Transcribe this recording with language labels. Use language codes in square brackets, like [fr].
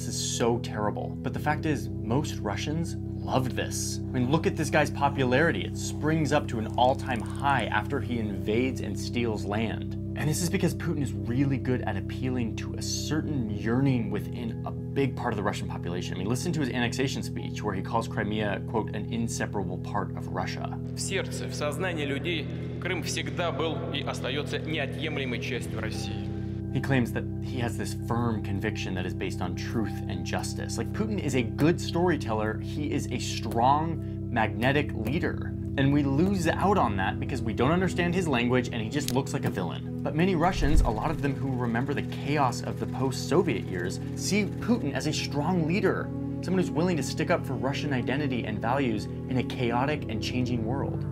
[en] This is so terrible. But the fact is, most Russians loved this. I mean, look at this guy's popularity. It springs up to an all-time high after he invades and steals land. And this is because Putin is really good at appealing to a certain yearning within a big part of the Russian population. I mean, listen to his annexation speech where he calls Crimea, quote, an inseparable part of Russia. [ru] В сердце, в сознании людей, Крым всегда был и остается неотъемлемой частью России. [en] He claims that he has this firm conviction that is based on truth and justice. Like, Putin is a good storyteller. He is a strong, magnetic leader. And we lose out on that because we don't understand his language and he just looks like a villain. But many Russians, a lot of them who remember the chaos of the post-Soviet years, see Putin as a strong leader, someone who's willing to stick up for Russian identity and values in a chaotic and changing world.